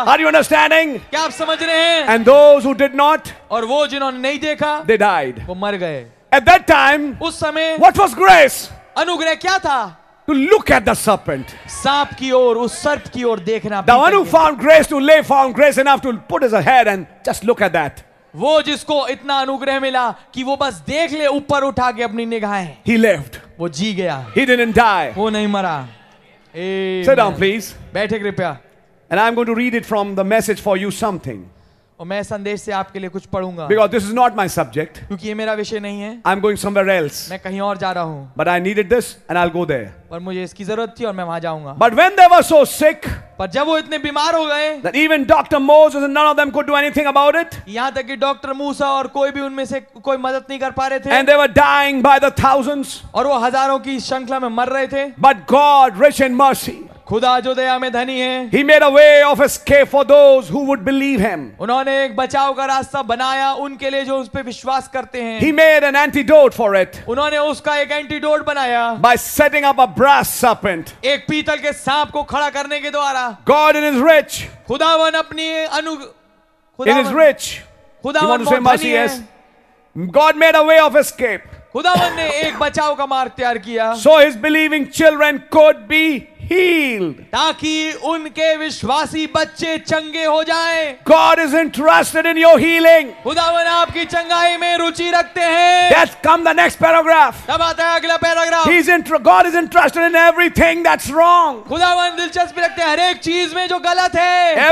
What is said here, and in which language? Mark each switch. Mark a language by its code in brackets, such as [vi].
[en] Are you understanding. [hi] क्या आप समझ रहे हैं. [en] And those who did not. [hi] और वो जिन्होंने नहीं देखा. [en] They died. [hi] वो मर गए. [en] At that time. [hi] उस समय. [en] What was grace. [hi] अनुग्रह क्या था. [en] To look at the serpent. [hi] सांप की ओर, उस सर्प की ओर देखना. [en] The one who found grace to live found grace enough to put his head and just look at that. [hi] वो जिसको इतना अनुग्रह मिला कि वो बस देख ले ऊपर उठा के अपनी निगाहें. [en] He lived. [hi] वो जी गया. [en] He didn't die. [hi] वो नहीं मरा. [en] Sit down, please. [hi] बैठे कृपया. [en] And I'm going to read it from the message for you something. [hi] और मैं संदेश से आपके लिए कुछ पढ़ूंगा [en] Because this is not my subject. [hi] क्योंकि ये मेरा विषय नहीं है [en] I'm going somewhere else. [hi] मैं कहीं और जा रहा हूँ [en] But I needed this and I'll go there. [hi] पर मुझे इसकी जरूरत थी और मैं वहां जाऊंगा [en] But when they were so sick, [hi] पर जब वो इतने बीमार हो गए [en] that even Dr. Moses and none of them could do anything about it. [hi] यहां तक कि डॉक्टर मूसा और कोई भी उनमें से कोई मदद नहीं कर पा रहे थे [en] And they were dying by the thousands. [hi] और वो हजारों की श्रृंखला में मर रहे थे [en] But God, rich in mercy. [hi] खुदा जो दया में धनी है [en] He made a way of escape for those who would believe him. [hi] उन्होंने एक बचाव का रास्ता बनाया उनके लिए जो उस पे विश्वास करते हैं [en] He made an antidote for it. [hi] उन्होंने उसका एक एंटीडोट बनाया [en] By setting up a brass serpent. [hi] एक पीतल के सांप को खड़ा करने के द्वारा [en] God in his rich. [hi] खुदावन अपनी अनु [en] In his rich. [hi] खुदावन बहुत धनी है [en] God made a way of escape. [hi] खुदावन ने एक बचाव का मार्ग तैयार किया [en] So his believing children could be healed [hi] ताकि उनके विश्वासी बच्चे चंगे हो जाएं [en] God is interested in your healing [hi] खुदावन आपकी चंगाई में रुचि रखते हैं [en] That's come the next paragraph [hi] तब आता है अगला paragraph [en] God is interested in everything that's wrong [hi] खुदावन दिलचस्पी रखते हैं हर एक चीज में जो गलत है